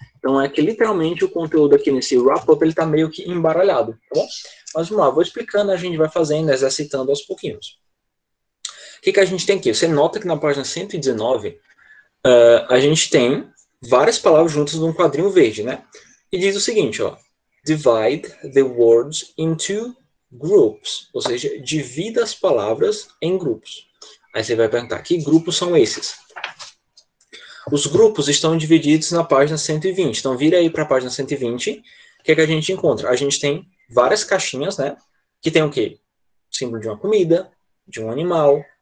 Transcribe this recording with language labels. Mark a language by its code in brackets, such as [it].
[pt] Então, é que, literalmente, o conteúdo aqui nesse wrap-up, ele tá meio que embaralhado, tá bom? Mas vamos lá, vou explicando, a gente vai fazendo, exercitando aos pouquinhos. O que, que a gente tem aqui? Você nota que na página 119, a gente tem várias palavras juntas num quadrinho verde, né? E diz o seguinte, ó. [en] Divide the words into groups. [pt] Ou seja, divida as palavras em grupos. Aí você vai perguntar, que grupos são esses? Os grupos estão divididos na página 120. Então, vira aí para a página 120. O que é que a gente encontra? A gente tem várias caixinhas, né? Que tem o quê? Símbolo de uma comida, de um animal.